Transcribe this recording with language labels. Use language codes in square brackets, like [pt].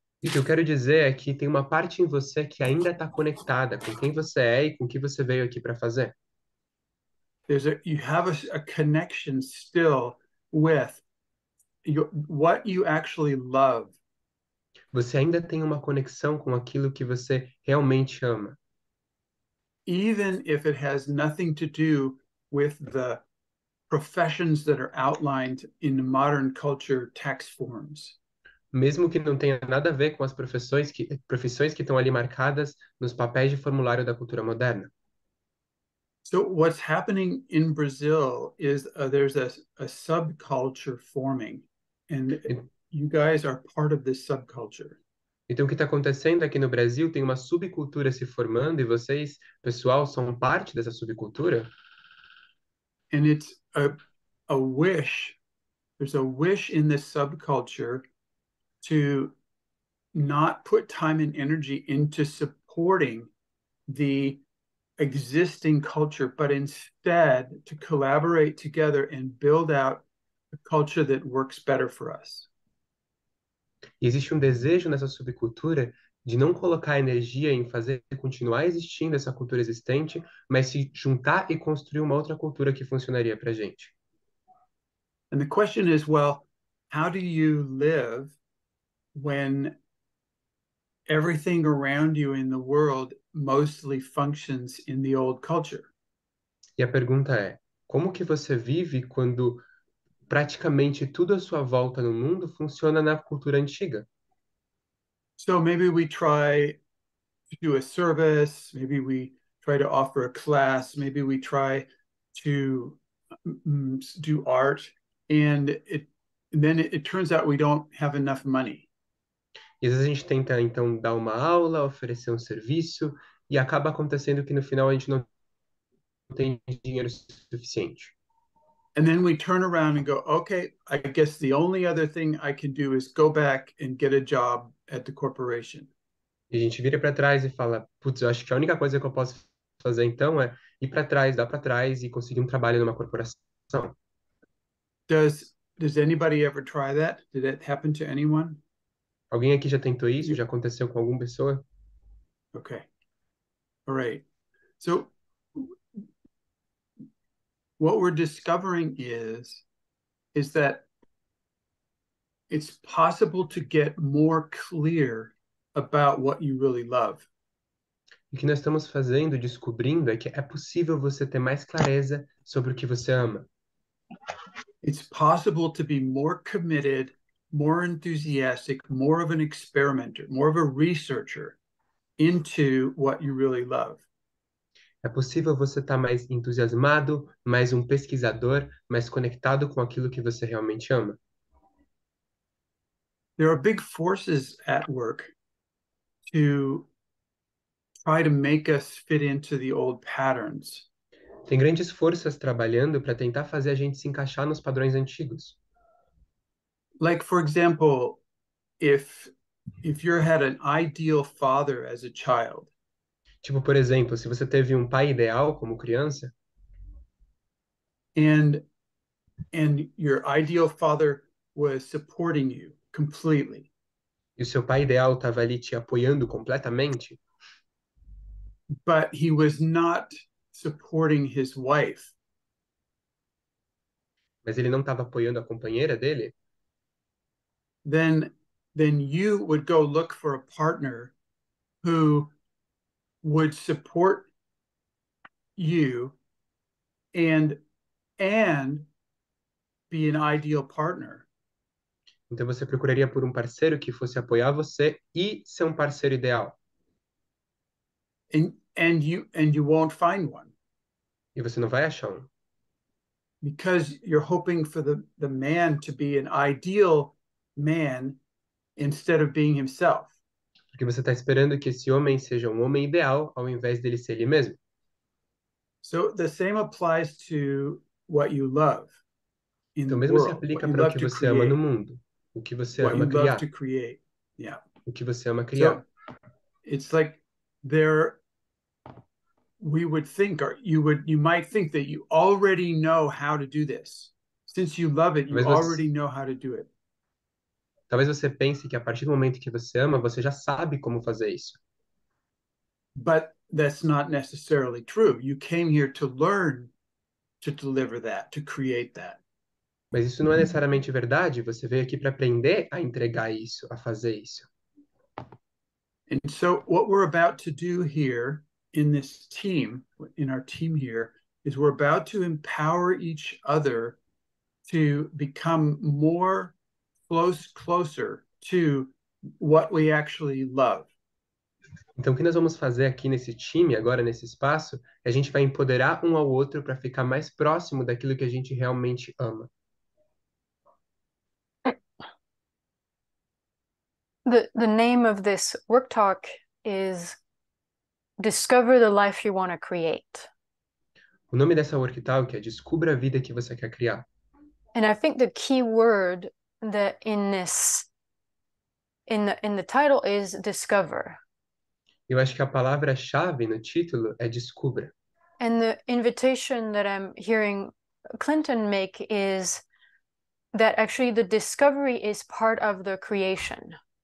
[pt] O que eu quero dizer é que tem uma parte em você que ainda está conectada com quem você é e com o que você veio aqui para fazer. [en] You have a connection still with what you actually love. [pt] Você ainda tem uma conexão com aquilo que você realmente ama. [en] Even if it has nothing to do with the professions that are outlined in the modern culture tax forms. [pt] Mesmo que não tenha nada a ver com as profissões que estão ali marcadas nos papéis de formulário da cultura moderna. [en] So what's happening in Brazil is there's a subculture forming. And you guys are part of this subculture. [pt] Então, o que está acontecendo aqui no Brasil, tem uma subcultura se formando e vocês, pessoal, são parte dessa subcultura? [en] And it's a wish. There's a wish in this subculture to not put time and energy into supporting the existing culture, but instead to collaborate together and build out a culture that works better for us. [pt] E existe um desejo nessa subcultura de não colocar energia em fazer continuar existindo essa cultura existente, mas se juntar e construir uma outra cultura que funcionaria para a gente. [en] And the question is, well, how do you live when everything around you in the world mostly functions in the old culture? [pt] E a pergunta é: como que você vive quando praticamente tudo à sua volta no mundo funciona na cultura antiga? [en] So maybe we try to do a service, maybe we try to offer a class, maybe we try to do art. And then it turns out we don't have enough money. [pt] E às vezes a gente tenta então dar uma aula, oferecer um serviço, e acaba acontecendo que no final a gente não tem dinheiro suficiente. [en] And then we turn around and go, okay, I guess the only other thing I can do is go back and get a job at the corporation. [pt] E a gente vira para trás e fala: putz, eu acho que a única coisa que eu posso fazer então é ir para trás, dar para trás e conseguir um trabalho numa corporação. [en] Does anybody ever try that? Did it happen to anyone? [pt] Alguém aqui já tentou isso? [en] You? [pt] Já aconteceu com alguma pessoa? [en] Okay. All right. So we're discovering is that it's possible to get more clear about what you really love. [pt] O que nós estamos fazendo, descobrindo, é que é possível você ter mais clareza sobre o que você ama. [en] It's possible to be more committed, more enthusiastic, more of an experimenter, more of a researcher into what you really love. [pt] É possível você estar mais entusiasmado, mais um pesquisador, mais conectado com aquilo que você realmente ama. [en] There are big forces at work to try to make us fit into the old patterns. [pt] Tem grandes forças trabalhando para tentar fazer a gente se encaixar nos padrões antigos. [en] Like, for example, if you had an ideal father as a child, [pt] Tipo, por exemplo, se você teve um pai ideal como criança. [en] and your ideal father was supporting you completely, [pt] E o seu pai ideal estava ali te apoiando completamente. [en] but he was not supporting his wife. [pt] Mas ele não estava apoiando a companheira dele? [en] Then you would go look for a partner who would support you and be an ideal partner. [pt] Então você procuraria por um parceiro que fosse apoiar você e ser um parceiro ideal. [en] And you won't find one. [pt] E você não vai achar um. [en] Because you're hoping for the man to be an ideal man instead of being himself. [pt] Porque você está esperando que esse homem seja um homem ideal ao invés dele ser ele mesmo. [en] So the same applies to what you love in the [pt] Então, mesmo se [en] world, [pt] aplica para o que você ama no mundo, o que você [en] what you [pt] ama [en] love to [pt] criar. [en] create. Yeah. [pt] O que você ama criar. [en] So it's like there we would think or you would you might think that you already know how to do this. Since you love it, you already know how to do it. [pt] Talvez você pense que a partir do momento que você ama, você já sabe como fazer isso. [en] But that's not necessarily true. You came here to learn to deliver that, to create that. [pt] Mas isso não é necessariamente verdade. Você veio aqui para aprender a entregar isso, a fazer isso. [en] And so, what we're about to do here in this team, in our team here, is we're about to empower each other to become more closer to what we actually love. [pt] Então, o que nós vamos fazer aqui nesse time, agora nesse espaço, é a gente vai empoderar um ao outro para ficar mais próximo daquilo que a gente realmente ama. [en] The name of this work talk is Discover the Life You Want to Create. [pt] O nome dessa work talk é Descubra a Vida que Você Quer Criar. [en] And I think the key word that in this, in the title is discover. [pt] Eu acho que a palavra-chave no título é descubra. [en] And the invitation that I'm hearing Clinton make is that actually the discovery is part of the creation.